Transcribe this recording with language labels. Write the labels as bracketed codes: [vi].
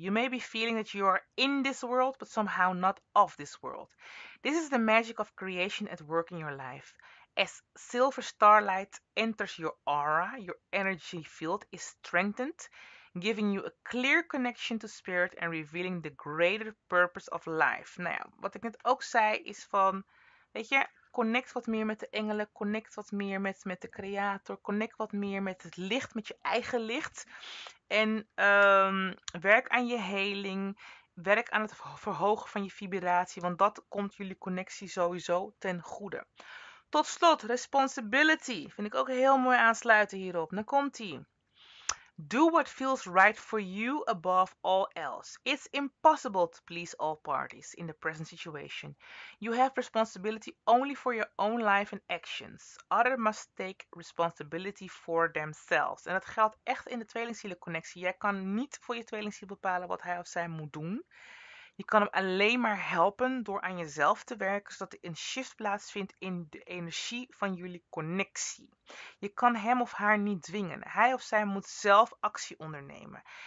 [en] You may be feeling that you are in this world, but somehow not of this world. This is the magic of creation at work in your life. As silver starlight enters your aura, your energy field is strengthened, giving you a clear connection to spirit and revealing the greater purpose of life. [nl] Nou ja, wat ik net ook zei is van, weet je, connect wat meer met de engelen. Connect wat meer met de creator. Connect wat meer met het licht. Met je eigen licht. En werk aan je heling. Werk aan het verhogen van je vibratie. Want dat komt jullie connectie sowieso ten goede. Tot slot. Responsibility. Vind ik ook heel mooi aansluiten hierop. Dan komt-ie. [en] Do what feels right for you above all else. It's impossible to please all parties in the present situation. You have responsibility only for your own life and actions. Others must take responsibility for themselves. [nl] En dat geldt echt in de tweelingzielenconnectie. Jij kan niet voor je tweelingziel bepalen wat hij of zij moet doen. Je kan hem alleen maar helpen door aan jezelf te werken, zodat er een shift plaatsvindt in de energie van jullie connectie. Je kan hem of haar niet dwingen. Hij of zij moet zelf actie ondernemen.